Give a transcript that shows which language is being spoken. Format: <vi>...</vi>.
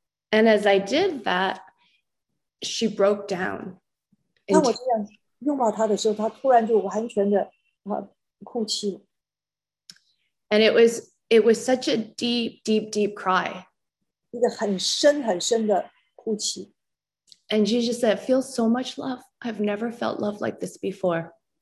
<en>And as I did that, she broke down.</en> <zh>那我这样拥抱她的时候,她突然就完全的哭泣。</zh> <en>And it was such a deep, deep, deep cry.</en> <zh>一个很深很深的哭泣。</zh> <en>And Jesus said, I feel so much love. I've never felt love like this before.</en>